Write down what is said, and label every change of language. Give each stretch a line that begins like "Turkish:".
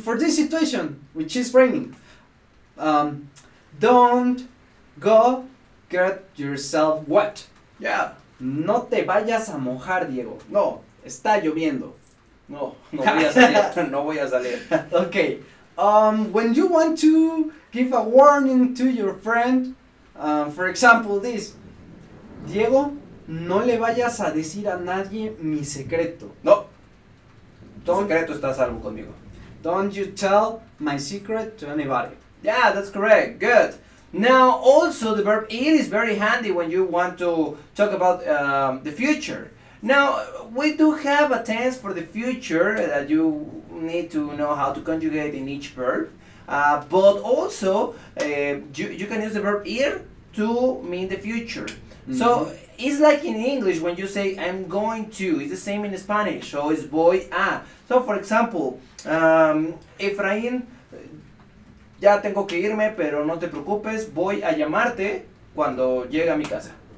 English: For this situation, which is raining, don't go get yourself wet. Yeah.
Spanish: No te vayas a mojar, Diego. No. Está lloviendo. No voy a salir.
English: Okay. When you want to give a warning to your friend, for example, this.
Spanish: Diego, no le vayas a decir a nadie mi secreto. No. Tu secreto está a salvo conmigo.
English: Don't you tell my secret to anybody. Yeah, that's correct. Good. Now, also, the verb ir is very handy when you want to talk about the future. Now, we do have a tense for the future that you need to know how to conjugate in each verb. But also, you can use the verb ir to mean the future. Mm-hmm. So, it's like in English when you say, I'm going to. It's the same in Spanish. So, it's voy a. So, for example,
Spanish: Efraín, ya tengo que irme, pero no te preocupes, voy a llamarte cuando llegue a mi casa.